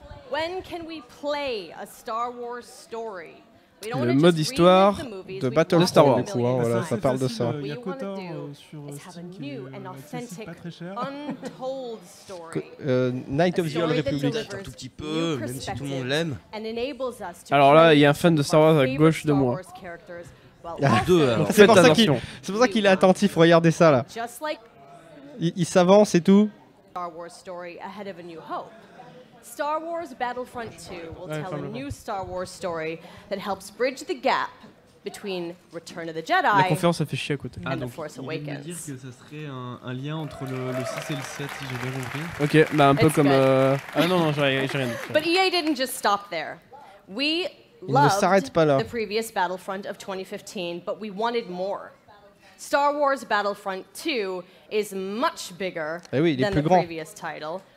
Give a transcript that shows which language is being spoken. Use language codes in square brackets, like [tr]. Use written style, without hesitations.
[en] When can we play a Star Wars story? [fr] Le mode histoire de Battle Star Wars, coup, hein, voilà, ça parle de ça. Il y a Kotor sur Steam qui pas très cher. Night of the Old Republic. Un tout petit peu, même si tout le monde l'aime. Alors là, il y a un fan de Star Wars à gauche de moi. Deux, c'est pour ça qu'il est attentif, regardez ça là. Il s'avance et tout. [en] Star Wars story ahead of a new hope. Star Wars Battlefront 2 will tell a new Star Wars story that helps bridge the gap between Return of the Jedi. [fr] La conférence a fait chier à côté. Ah, donc, Force Awakens. Il veut dire que ça serait un lien entre le 6 et le 7, si j'ai bien compris. Ok, bah un peu comme. Non, j'ai rien. [en] But EA didn't just stop there. We loved the previous Battlefront of 2015, but we wanted more. Star Wars Battlefront 2 is much bigger than the previous title.